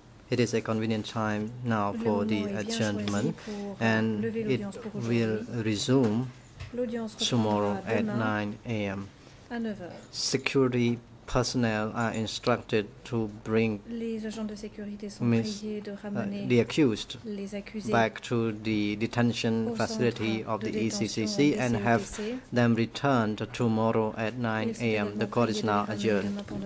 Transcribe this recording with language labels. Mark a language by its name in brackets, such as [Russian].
[English] It is a convenient time now for the adjournment, and it will resume tomorrow at 9 a.m. [French] À 9 heures. [English] Security personnel are instructed to bring [French] les agents de sécurité sont priés de ramener [English] the accused [French] les accusés [English] back to the detention facility of the ECCC and have them returned tomorrow at 9 a.m. The court is now adjourned.